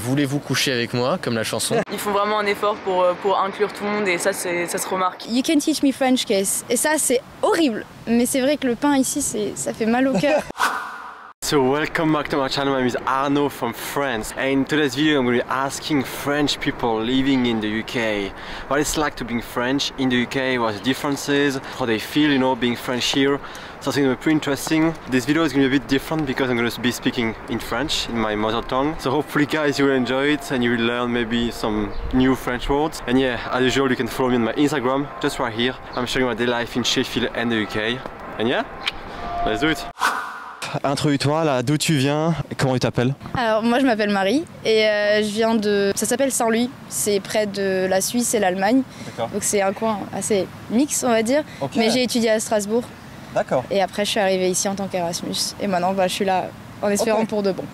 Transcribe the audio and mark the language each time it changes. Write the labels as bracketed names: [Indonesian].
[French] voulez-vous coucher avec moi, comme la chanson. Ils font vraiment un effort pour inclure tout le monde et ça se remarque. [English] You can teach me French, Kess. [French] Et ça, c'est horrible. Mais c'est vrai que le pain ici, ça fait mal au cœur. [English] So welcome back to my channel, my name is Arnaud from France, and in today's video I'm going to be asking French people living in the UK what it's like to be French in the UK, what the differences, how they feel, you know, being French here. So I think it's going to be pretty interesting. This video is going to be a bit different because I'm going to be speaking in French, in my mother tongue. So hopefully guys you will enjoy it and you will learn maybe some new French words. And yeah, as usual you can follow me on my Instagram, just right here. I'm sharing my day life in Sheffield and the UK. And yeah, let's do it. [French] Introduis-toi là, d'où tu viens, comment tu t'appelles? Alors moi je m'appelle Marie et je viens de... ça s'appelle Saint-Louis, c'est près de la Suisse et l'Allemagne. D'accord. Donc c'est un coin assez mix on va dire, okay. Mais j'ai étudié à Strasbourg. D'accord. Et après je suis arrivée ici en tant qu'Erasmus et maintenant bah, je suis là en espérant okay. Pour de bon.